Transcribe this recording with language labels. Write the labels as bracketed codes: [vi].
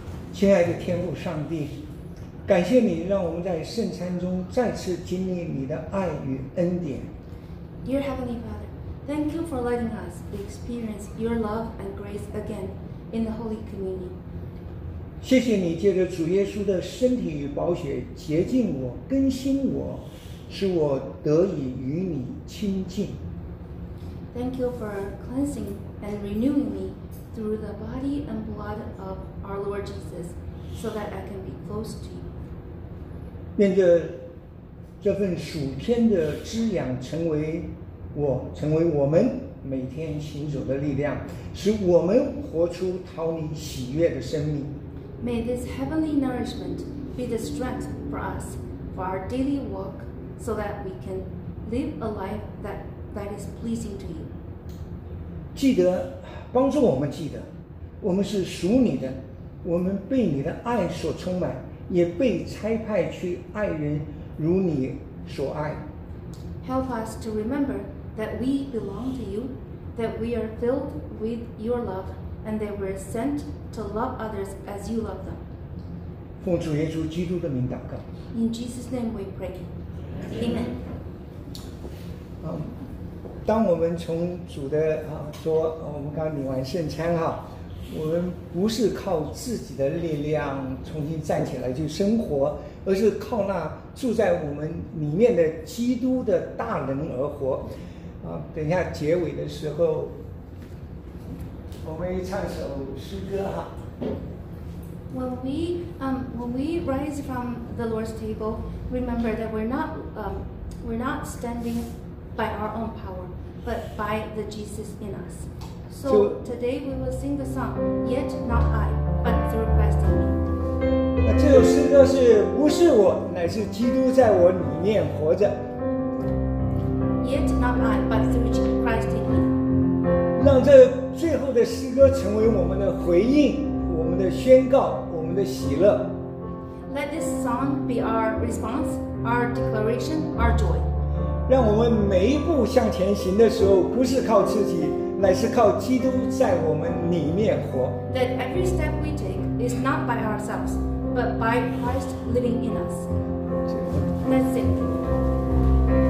[zh] 亲爱的天父上帝，感谢你让我们在圣餐中再次经历你的爱与恩典。 [en] Dear Heavenly Father, thank you for letting us experience your love and grace again in the Holy Communion. [zh] 谢谢你借着主耶稣的身体与宝血洁净我，更新我，使我得以与你亲近。 [en] Thank you for cleansing and renewing me through the body and blood of our Lord Jesus so that I can be close to you. [zh] 面对这份属天的滋养成为我，成为我们每天行走的力量，使我们活出讨你喜悦的生命。 [en] May this heavenly nourishment be the strength for us for our daily walk so that we can live a life that is pleasing to you. [zh] 记得，帮助我们记得，我们是属你的，我们被你的爱所充满，也被差派去爱人如你所爱。 [en] Help us to remember that we belong to you, that we are filled with your love, and that we're sent to love others as you love them. [zh] 奉主耶稣基督的名祷告。 [en] In Jesus' name we pray. Amen. [zh] 当我们从主的说我们刚刚领完圣餐哈，我们不是靠自己的力量重新站起来去生活，而是靠那住在我们里面的基督的大能而活。等一下结尾的时候，我们唱首诗歌哈。 [en] When we rise from the Lord's table, remember that we're not standing by our own power. But by the Jesus in us. So today we will sing the song, Yet Not I, But Through Christ in Me. [zh] 那这首诗歌是不是我，乃是基督在我里面活着。 [en] Yet Not I, But Through Christ in Me. [zh] 让这最后的诗歌成为我们的回应，我们的宣告，我们的喜乐。 [en] Let this song be our response, our declaration, our joy. [zh] 让我们每一步向前行的时候，不是靠自己，乃是靠基督在我们里面活。 [en] That every step we take is not by ourselves, but by Christ living in us. That's it.